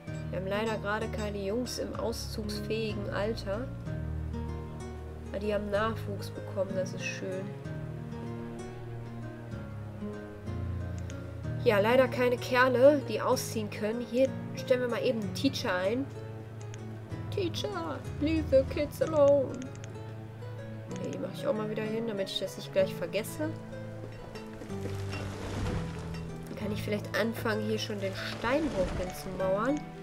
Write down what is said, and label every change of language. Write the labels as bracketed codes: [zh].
[de] Wir haben leider gerade keine Jungs im auszugsfähigen Alter. Aber die haben Nachwuchs bekommen, das ist schön. Ja, leider keine Kerle, die ausziehen können. Hier stellen wir mal eben einen Teacher ein. [en] Teacher, leave the kids alone. [de] Okay, die mache ich auch mal wieder hin, damit ich das nicht gleich vergesse. Dann kann ich vielleicht anfangen, hier schon den Steinbruch hinzumauern.